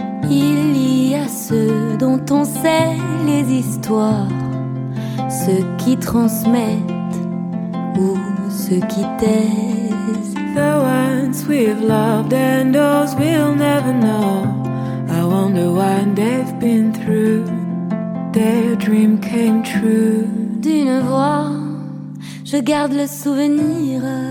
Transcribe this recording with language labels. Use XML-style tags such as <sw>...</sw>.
<fr>Il y a ceux dont on sait les histoires, ceux qui transmettent ou ceux qui taisent.</fr> <en>The ones we've loved and those we'll never know. I wonder what they've been through. Their dream came true.</en> <fr>D'une voix, je garde le souvenir.</fr>